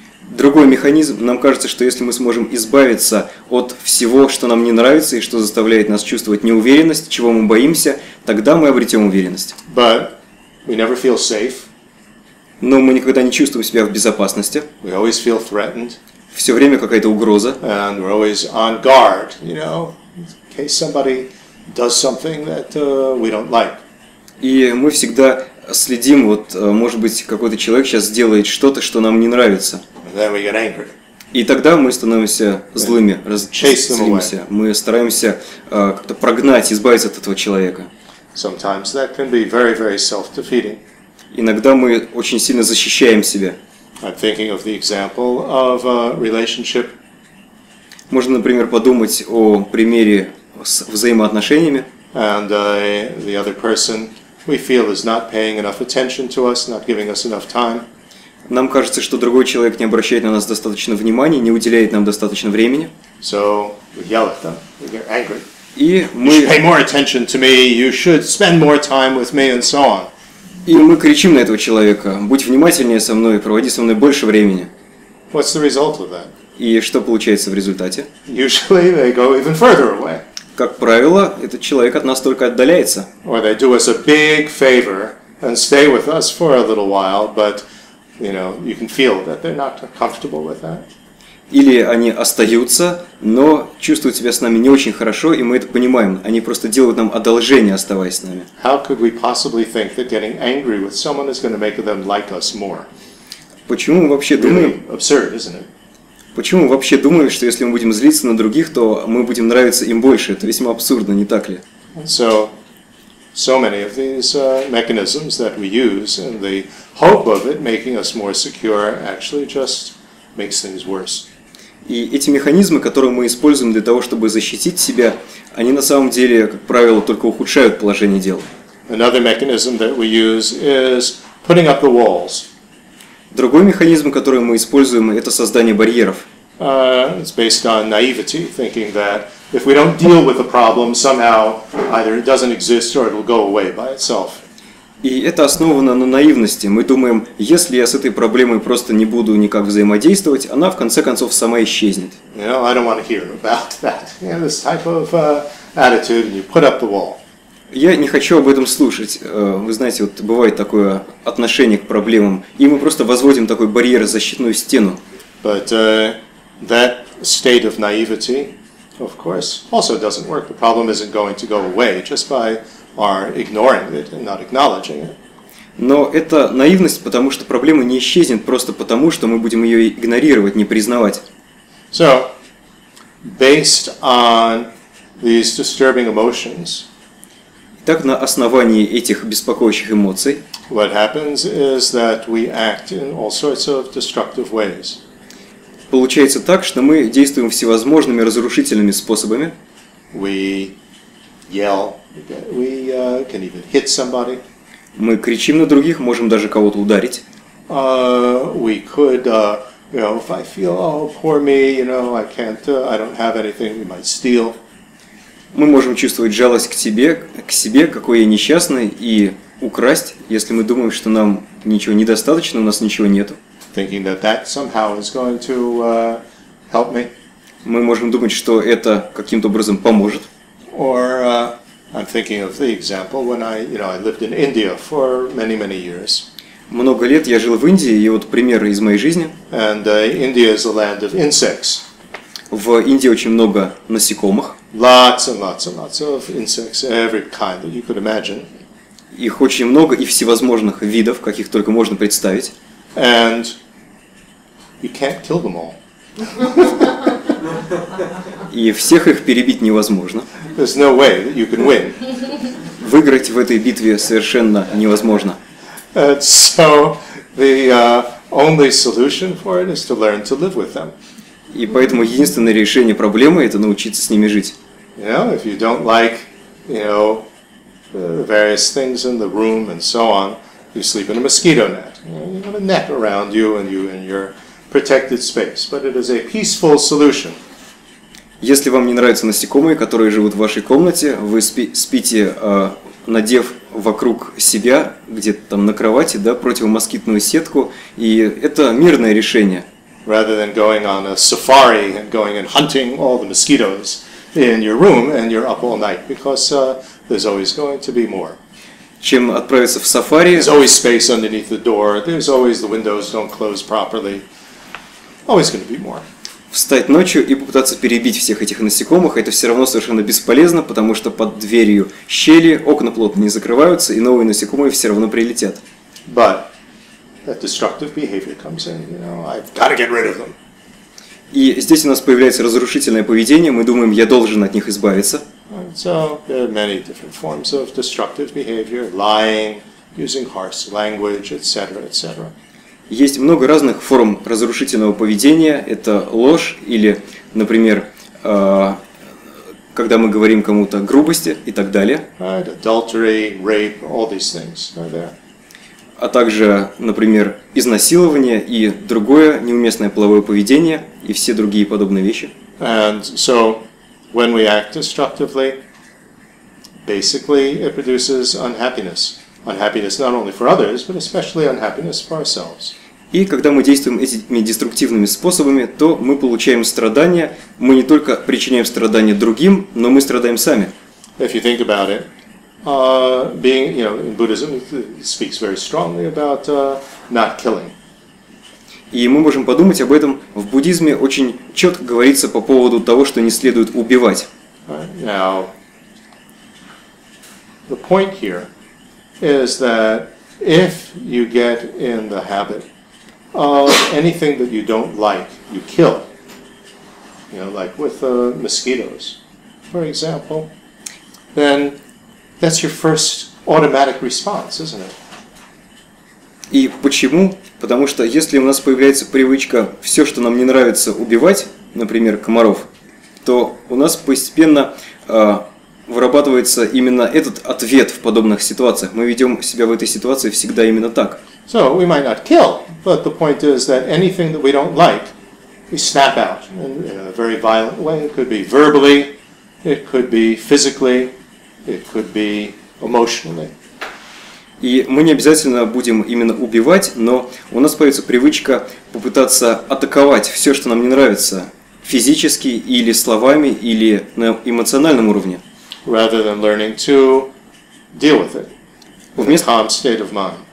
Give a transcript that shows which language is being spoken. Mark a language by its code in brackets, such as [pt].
[ru] Другой механизм, нам кажется, что если мы сможем избавиться от всего, что нам не нравится и что заставляет нас чувствовать неуверенность, чего мы боимся, тогда мы обретем уверенность. [en] But we never feel safe. [ru] Но мы никогда не чувствуем себя в безопасности. [en] We always feel threatened. [ru] Все время какая-то угроза. [en] And we're always on guard, you know, in case somebody does something that we don't like. [ru] И мы всегда следим, вот, может быть, какой-то человек сейчас сделает что-то, что нам не нравится. [en] Then we get angry. [ru] И тогда мы становимся злыми, злимся. Мы стараемся как-то прогнать, избавиться от этого человека. [en] Sometimes that can be very, very self-defeating. [ru] Иногда мы очень сильно защищаем себя. [en] I'm thinking of the example of a relationship. [ru] Можно, например, подумать о примере с взаимоотношениями. [en] And the other person, we feel, is not paying enough attention to us, not giving us enough time. [ru] Нам кажется, что другой человек не обращает на нас достаточно внимания, не уделяет нам достаточно времени. [en] So we yell at them, we get angry. [ru] И мы... [en] You should pay more attention to me, you should spend more time with me, and so on. [ru] И мы кричим на этого человека, будь внимательнее со мной, проводи со мной больше времени. [en] What's the result of that? [ru] И что получается в результате? [en] Usually they go even further away. [ru] Как правило, этот человек от нас только отдаляется. [en] Or they do us a big favor and stay with us for a little while, but, you know, you can feel that they're not comfortable with that. [ru] Или они остаются, но чувствуют себя с нами не очень хорошо, и мы это понимаем. Они просто делают нам одолжение, оставаясь с нами. [en] How could we possibly think that getting angry with someone is going to make them like us more? [ru] Почему мы вообще [en] really [ru] думаем? [en] Absurd, isn't it? [ru] Почему мы вообще думаем, что если мы будем злиться на других, то мы будем нравиться им больше? Это весьма абсурдно, не так ли? [en] So many of these mechanisms that we use and the hope of it making us more secure actually just makes things worse. [ru] И эти механизмы, которые мы используем для того, чтобы защитить себя, они на самом деле, как правило, только ухудшают положение дел. [en] Another mechanism that we use is putting up the walls. [ru] Другой механизм, который мы используем, это создание барьеров. [en] It's based on naivety, thinking that if we don't deal with the problem, somehow either it doesn't exist or it will go away by itself. [ru] И это основано на наивности. Мы думаем, если я с этой проблемой просто не буду никак взаимодействовать, она в конце концов сама исчезнет. [en] You know, I don't want to hear about that. You know, this type of attitude, and you put up the wall. [ru] Я не хочу об этом слушать. Вы знаете, вот бывает такое отношение к проблемам, и мы просто возводим такой барьер, защитную стену. [en] But that state of naivety Of course. Also, it doesn't work. The problem isn't going to go away just by our ignoring it and not acknowledging it. [ru] Но это наивность, потому что проблема не исчезнет просто потому, что мы будем ее игнорировать, не признавать. [en] So, based on these disturbing emotions. [ru] Итак, на основании этих беспокоящих эмоций. [en] What happens is that we act in all sorts of destructive ways. [ru] Получается так, что мы действуем всевозможными разрушительными способами. [en] We yell. We can even hit somebody. [ru] Мы кричим на других, можем даже кого-то ударить. [en] We could, you know, if I feel, oh, poor me, you know, I can't, I don't have anything, we might steal. [ru] Мы можем чувствовать жалость к себе, какой я несчастный, и украсть, если мы думаем, что нам ничего недостаточно, у нас ничего нету. [en] Thinking that that somehow is going to help me. [ru] Мы можем думать, что это каким-то образом поможет. [en] Or, I'm thinking of the example when I, you know, I lived in India for many, many years. [ru] Много лет я жил в Индии, и вот пример из моей жизни. [en] And India is a land of insects. [ru] В Индии очень много насекомых. [en] Lots and lots and lots of insects, every kind that you could imagine. [ru] Их очень много и всевозможных видов, каких только можно представить. [en] And you can't kill them all. [ru] И всех их перебить невозможно. [en] There's no way that you can win. [ru] Выиграть в этой битве совершенно невозможно. [en] And so the only solution for it is to learn to live with them. [ru] И поэтому единственное решение проблемы — это научиться с ними жить. [en] You know, if you don't like, you know, the various things in the room and so on, you sleep in a mosquito net. You have a net around you and you in your protected space, but it is a peaceful solution. [ru] Если вам не нравятся насекомые, которые живут в вашей комнате, вы спите, надев вокруг себя, где-то там на кровати, да, противомоскитную сетку, и это мирное решение. [en] Rather than going on a safari and going and hunting all the mosquitoes in your room and you're up all night, because there's always going to be more. [ru] Чем отправиться в сафари. [en] There's always space underneath the door, there's always the windows don't close properly. Always going to be more. [ru] Встать ночью и попытаться перебить всех этих насекомых, это все равно совершенно бесполезно, потому что под дверью щели, окна плотно не закрываются, и новые насекомые все равно прилетят. [en] But that destructive behavior comes in, you know, I've got to get rid of them. [ru] И здесь у нас появляется разрушительное поведение, мы думаем, я должен от них избавиться. [en] So, there are many different forms of destructive behavior, lying, using harsh language, etc., etc. [ru] Есть много разных форм разрушительного поведения. Это ложь или, например, когда мы говорим кому-то грубости и так далее. [en] Right, adultery, rape, all these things are there. [ru] А также, например, изнасилование и другое неуместное половое поведение и все другие подобные вещи. [en] And so, when we act destructively, basically it produces unhappiness. Unhappiness not only for others, but especially unhappiness for ourselves. [ru] И когда мы действуем этими деструктивными способами, то мы получаем страдания. Мы не только причиняем страдания другим, но мы страдаем сами. [en] If you think about it, in Buddhism, it speaks very strongly about not killing. [ru] И мы можем подумать об этом. В буддизме очень четко говорится по поводу того, что не следует убивать. [en] Right. Now, the point here is that if you get in the habit of anything that you don't like, you kill. You know, like with mosquitoes, for example. Then that's your first automatic response, isn't it? [ru] И почему? Потому что если у нас появляется привычка все, что нам не нравится, убивать, например, комаров, то у нас постепенно вырабатывается именно этот ответ в подобных ситуациях. Мы ведем себя в этой ситуации всегда именно так. [en] So we might not kill, but the point is that anything that we don't like, we snap out in a very violent way. It could be verbally, it could be physically, it could be emotionally. [ru] И мы не обязательно будем именно убивать, но у нас появится привычка попытаться атаковать все, что нам не нравится, физически или словами, или на эмоциональном уровне. [en] Rather than learning to deal with it in a calm state of mind.